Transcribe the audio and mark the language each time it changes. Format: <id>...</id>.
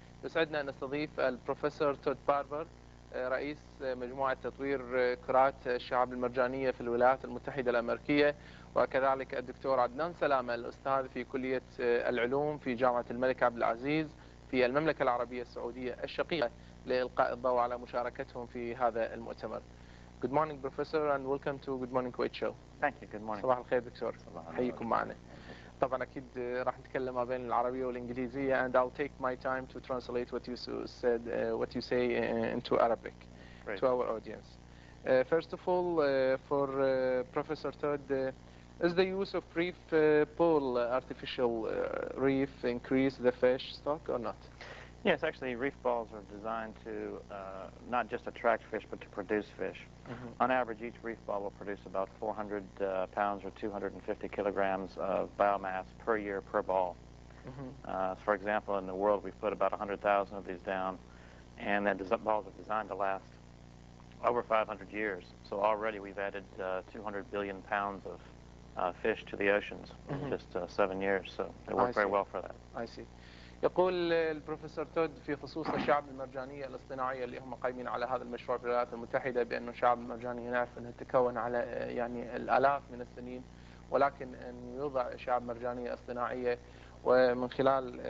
<ar>يسعدنا أن نستضيف البروفيسور تود باربر رئيس مجموعة تطوير كرات الشعاب المرجانية في الولايات المتحدة الأمريكية، وكذلك الدكتور عدنان سلامة الأستاذ في كلية العلوم في جامعة الملك عبد العزيز في المملكة العربية السعودية الشقيقة لإلقاء الضوء على مشاركتهم في هذا المؤتمر.</ar> <en>Good morning professor and welcome to Good Morning Kuwait show. Thank you. Good morning.</en> <ar>صباح الخير دكتور. حيكم معنا. طبعا اكيد راح نتكلم ما بين العربية والانجليزية</ar> <en>and I'll take my time to translate what you said what you say into Arabic Great. to our audience. First of all for professor Todd is the use of reef pool artificial reef increase the fish stock or not? Yes, actually reef balls are designed to not just attract fish but to produce fish. Mm-hmm. On average each reef ball will produce about 400 pounds or 250 kilograms of biomass per year per ball. Mm-hmm. For example, in the world we've put about 100,000 of these down, and then balls are designed to last over 500 years. So already we've added 200 billion pounds of fish to the oceans mm-hmm. in just 7 years, so they work very well for that. I see.</en> <ar>يقول البروفيسور تود في خصوص الشعاب المرجانية الاصطناعية اللي هم قائمين على هذا المشروع في الولايات المتحدة بأن الشعاب المرجاني هناك أنه تكون على يعني الآلاف من السنين، ولكن أن يوضع شعاب مرجانية اصطناعية ومن خلال</ar>